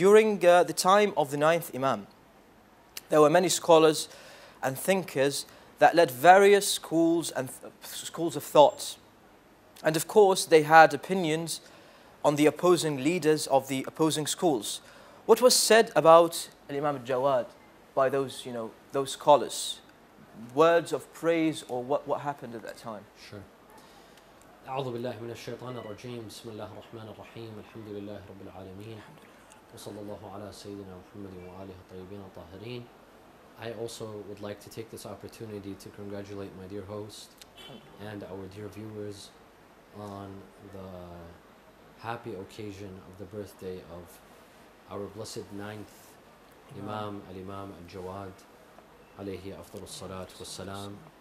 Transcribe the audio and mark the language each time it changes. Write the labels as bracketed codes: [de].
[en] During the time of the ninth Imam, there were many scholars and thinkers that led various schools and schools of thought. And of course, they had opinions on the opposing leaders of the opposing schools. What was said about Imam Al-Jawad by those, you know, those scholars? Words of praise, or what happened at that time? Sure. [ar] أعوذ بالله من الشيطان الرجيم بسم الله الرحمن الرحيم الحمد لله رب العالمين وصلى الله على سيدنا محمد وآله الطيبين الطاهرين. [en] I also would like to take this opportunity to congratulate my dear host and our dear viewers on the happy occasion of the birthday of our blessed ninth Imam Al-Imam Al-Jawad [ar] عليه أفضل الصلاة والسلام.